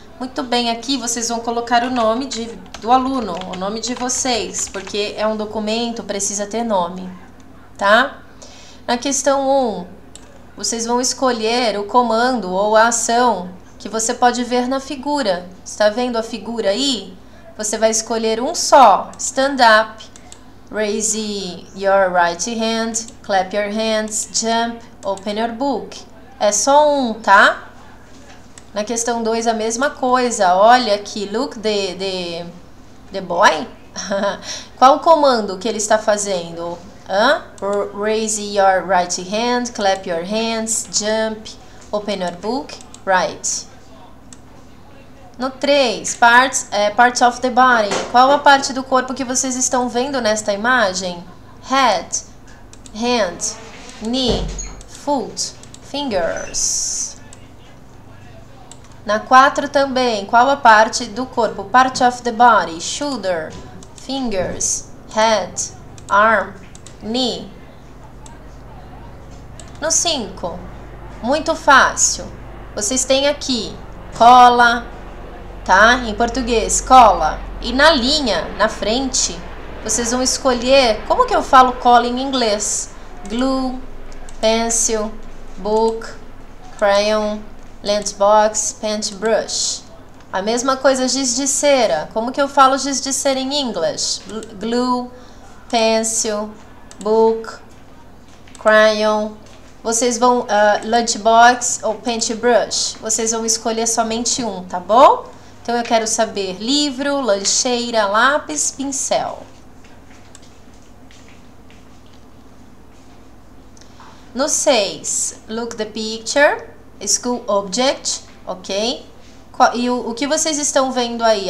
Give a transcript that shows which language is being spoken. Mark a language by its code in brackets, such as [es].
[pt] Muito bem, aqui vocês vão colocar o nome do aluno, o nome de vocês, porque é um documento, precisa ter nome, tá? Na questão 1, vocês vão escolher o comando ou a ação que você pode ver na figura. Está vendo a figura aí? Você vai escolher um só. [en] Stand up, raise your right hand, clap your hands, jump, open your book. [pt] É só um, tá? Na questão 2, a mesma coisa. Olha aqui, [en] look the boy. [pt] Qual o comando que ele está fazendo? [en] Raise your right hand, clap your hands, jump, open your book, right. No 3, parts of the body. [pt] Qual a parte do corpo que vocês estão vendo nesta imagem? [en] Head, hand, knee, foot, fingers. [pt] Na 4 também, qual a parte do corpo? [en] Part of the body, shoulder, fingers, head, arm, knee. [pt] No 5, muito fácil. Vocês têm aqui cola, tá? Em português, cola. E na linha, na frente, vocês vão escolher como que eu falo cola em inglês? [en] Glue, pencil, book, crayon, lunchbox, paintbrush. [pt] A mesma coisa, giz de cera. Como que eu falo giz de cera em inglês? [en] Glue, pencil, book, crayon. [pt] Vocês vão, lunchbox ou paintbrush. Vocês vão escolher somente um, tá bom? Então eu quero saber livro, lancheira, lápis, pincel. [en] No 6, look the picture, school object, ok? [pt] E o que vocês estão vendo aí?